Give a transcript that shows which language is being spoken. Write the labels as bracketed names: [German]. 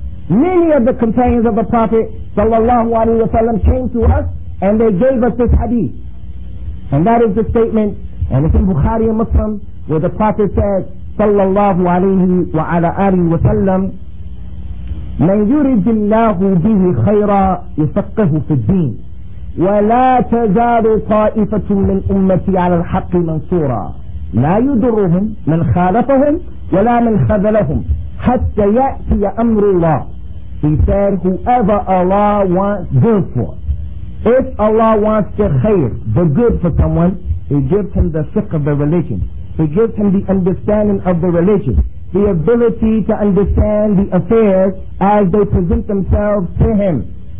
[English] Many of the companions of the Prophet sallallahu alayhi wa sallam came to us and they gave us this hadith. And that is the statement, and it's in Bukhari and Muslim, where the Prophet says, sallallahu alayhi wa ala alihi wa sallam, [Arabic] man yuridillahu bihi khayra yafaqahu fi al-deen. ولا تزال طائفة من أمتي على الحق منصورا لا يضرهم من خالفهم ولا من خذلهم حتى يأتي أمر الله. [English] He said, whoever Allah wants good for, if Allah wants the khair, the good for someone, He gives him the fiqh of the religion, He gives him the understanding of the religion, the ability to understand the affairs as they present themselves to him.